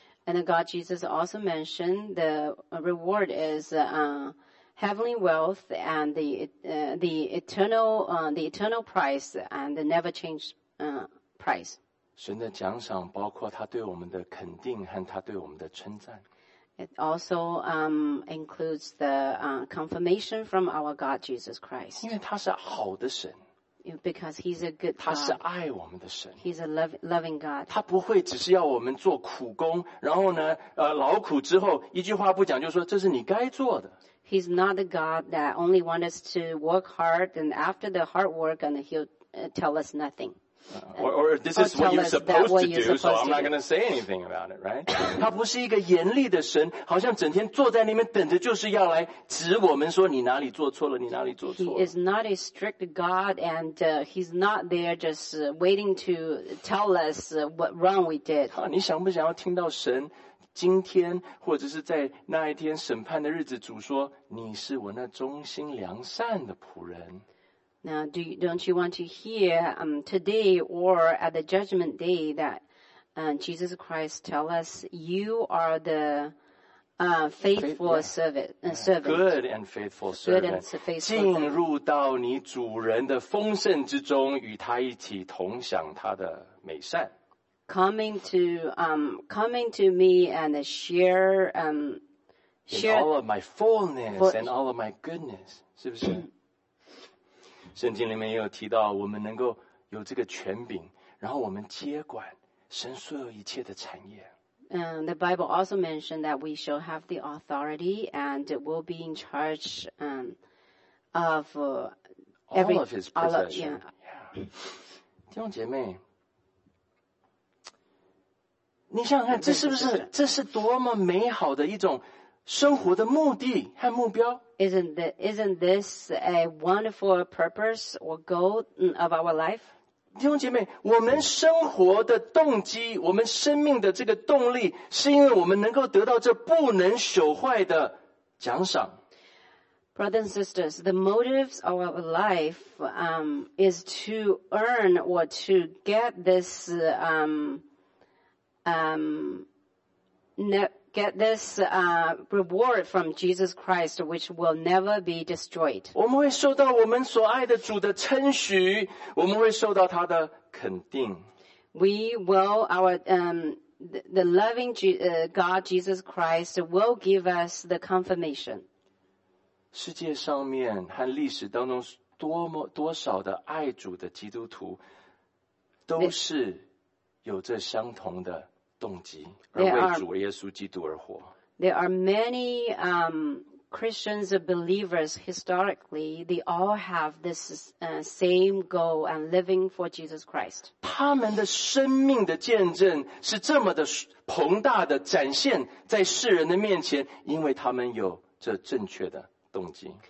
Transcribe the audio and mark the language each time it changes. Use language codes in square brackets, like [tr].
[en] And God Jesus also mentioned the reward is heavenly wealth and the eternal price and the never change price. [zh] 神的奖赏包括他对我们的肯定和他对我们的称赞。 [en] It also includes the confirmation from our God Jesus Christ. [zh] 因为他是好的神。 [en] Because he's a good God. [zh] 他是爱我们的神。 [en] He's a loving God. [zh] 他不会只是要我们做苦工，然后呢，劳苦之后一句话不讲，就说这是你该做的。 [en] He's not the God that only wants us to work hard, and after the hard work, and he'll tell us nothing. Or this is what you're supposed to do, so I'm not going to say anything about it, right? [zh] 他不是一个严厉的神，好像整天坐在那边等着，就是要来指我们说你哪里做错了，你哪里做错了。 [en] He is not a strict God, and he's not there just waiting to tell us what wrong we did. [zh] 你想不想要听到神今天或者是在那一天审判的日子，主说你是我那忠心良善的仆人？ [en] Now, don't you want to hear today or at the judgment day that Jesus Christ tell us, you are the faithful servant. Good and faithful servant. Good and faithful servant. [zh] 进入到你主人的丰盛之中，与他一起同享他的美善。 [en] Coming to me and share all of my fullness and all of my goodness. [zh] 是不是？圣经里面也有提到，我们能够有这个权柄，然后我们接管神所有一切的产业。 [en] The Bible also mentioned that we shall have the authority and will be in charge of all of His possessions. Yeah. [zh] 弟兄姐妹，你想想看，这是不是这是多么美好的一种生活的目的和目标？ [en] Isn't this a wonderful purpose or goal of our life? [zh] 弟兄姐妹，我们生活的动机，我们生命的这个动力，是因为我们能够得到这不能朽坏的奖赏。 [en] Brothers and sisters, the motives of our life is to earn or to get this reward from Jesus Christ, which will never be destroyed. [zh] 我们会受到我们所爱的主的称许，我们会受到他的肯定。 [en] We will our the loving God Jesus Christ will give us the confirmation. [zh] 世界上面和历史当中多少的爱主的基督徒，都是有着相同的。 [en] There are many Christians believers historically. They all have this same goal and living for Jesus Christ. [zh] 他们的生命的见证是这么的膨大的展现在世人的面前，因为他们有这正确的动机。